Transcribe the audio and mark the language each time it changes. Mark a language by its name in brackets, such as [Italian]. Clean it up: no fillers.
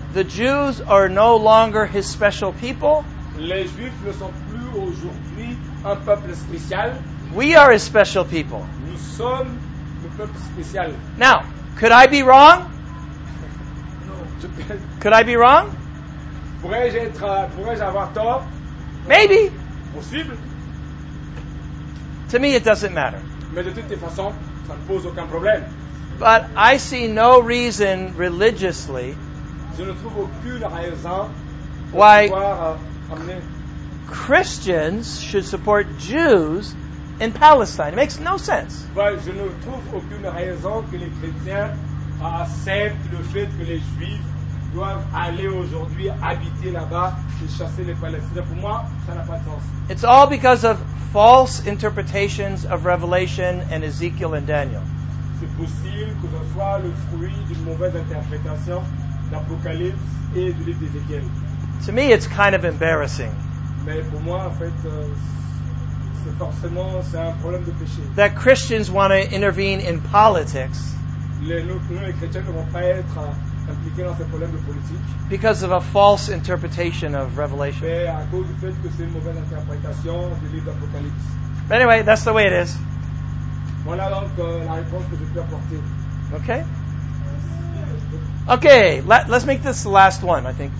[English] The Jews are no longer his special people. [French] Les Juifs ne sont plus aujourd'hui un peuple spécial. [English] We are his special people. [French] Nous sommes le peuple spécial. [English] Now, could I be wrong? Could I be wrong? [French] Pourrais-je avoir tort? [English] Maybe. [French] Possible. [English] To me, it doesn't matter. [French] Mais de toutes les façons, ça ne pose aucun problème. [English] But I see no reason religiously why Christians should support Jews in Palestine. It makes no sense. [French] Well, je ne trouve aucune raison que les chrétiens acceptent le fait que les juifs doivent aller aujourd'hui habiter là-bas et chasser les Palestiniens. Pour moi, ça n'a pas de sens. [English] It's all because of false interpretations of Revelation and Ezekiel and Daniel. [French] C'est possible que ce soit le fruit d'une mauvaise interprétation d'Apocalypse et du livre d'Ézéchiel. [English] To me, it's kind of embarrassing. [French] Mais pour moi, en fait, c'est forcément c'est un problème de péché. [English] That Christians want to intervene in politics. [French] Nous, les chrétiens, ne vont pas être impliqués dans ces problèmes de politique. [English] Because of a false interpretation of Revelation. [French] Mais à cause du fait que c'est une mauvaise interprétation du livre d'Apocalypse. [English] But anyway, that's the way it is. [French] Voilà donc la réponse que je peux apporter. [English] Okay. Okay, let's make this the last one, I think.